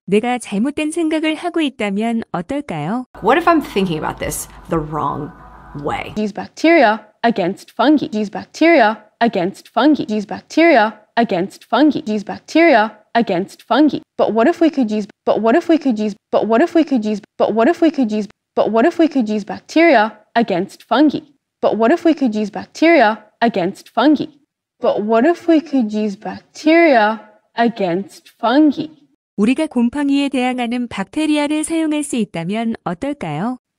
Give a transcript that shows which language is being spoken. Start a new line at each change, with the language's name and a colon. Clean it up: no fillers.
Korean: 내가 잘못된 생각을 하고 있다면 어떨까요?
English: What if I'm thinking about this the wrong way?
Korean: 우리가 곰팡이에 대항하는 박테리아를 사용할 수 있다면 어떨까요?